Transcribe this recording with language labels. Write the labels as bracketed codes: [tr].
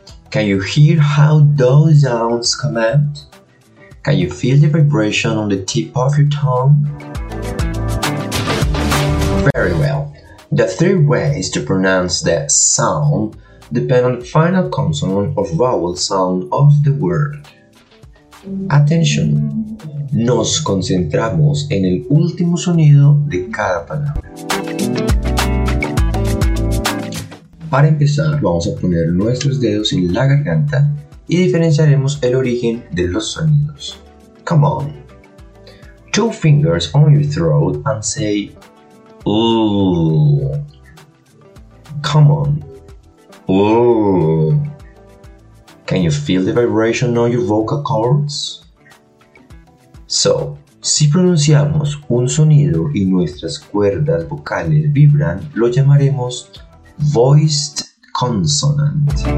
[en] Can you hear how those sounds come out? Can you feel the vibration on the tip of your tongue? Very well. The three ways to pronounce that sound depend on the final consonant or vowel sound of the word. [es] Atención. Nos concentramos en el último sonido de cada palabra. Para empezar, vamos a poner nuestros dedos en la garganta y diferenciaremos el origen de los sonidos. [en] Come on. Two fingers on your throat and say, ooh. Come on. Ooh. Can you feel the vibration on your vocal cords? [es] So, si pronunciamos un sonido y nuestras cuerdas vocales vibran, lo llamaremos voiced consonant.